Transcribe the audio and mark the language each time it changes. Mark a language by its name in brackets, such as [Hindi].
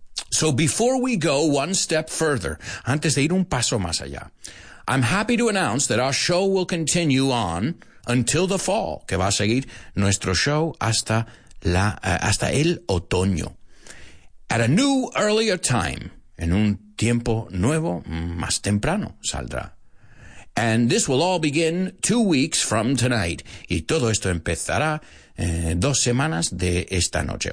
[English] So before we go one step further, [Spanish] antes de ir un paso más allá, [English] I'm happy to announce that our show will continue on until the fall, [Spanish] que va a seguir nuestro show hasta el otoño. [English] At a new, earlier time, [Spanish] en un tiempo nuevo, más temprano, saldrá. [English] And this will all begin 2 weeks from tonight. [Spanish] Y todo esto empezará 2 semanas de esta noche.